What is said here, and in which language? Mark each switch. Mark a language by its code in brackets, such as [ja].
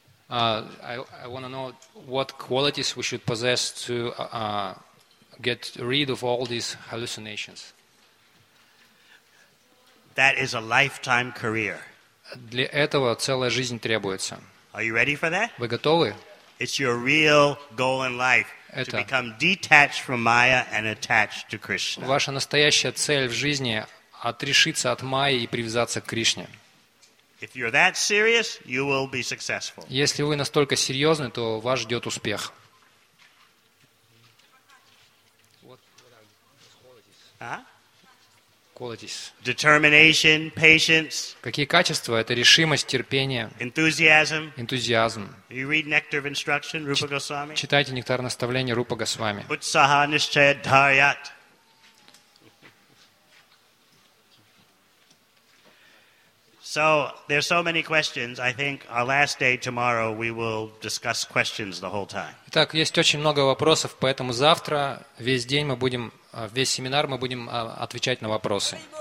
[en] I want to know what qualities we should possess to get rid of all these hallucinations. That is a lifetime career. [ru] Для этого целая жизнь требуется. [en] Are you ready for that? [ru] Вы готовы? [en] It's your real goal in life to become detached from Maya and attached to Krishna. [ru] Ваша настоящая цель в жизни — отрешиться от Майи и привязаться к Кришне. [en] If you're that serious, you will be successful. [ru] Если вы настолько серьезны, то вас ждет успех. [en] Determination, patience. [ru] Какие качества? Это решимость, терпение. [en] Enthusiasm. [ru] Энтузиазм. [en] You read Nectar of Instruction, Rupa Goswami. [ru] Читайте Нектар наставления Рупа Госвами. [sa] Utsaha nishchaya dharyat. [en] So there's so many questions. I think our last day tomorrow we will discuss questions the whole time. [ru] Итак, есть очень много вопросов, поэтому завтра весь день мы будем весь семинар мы будем отвечать на вопросы.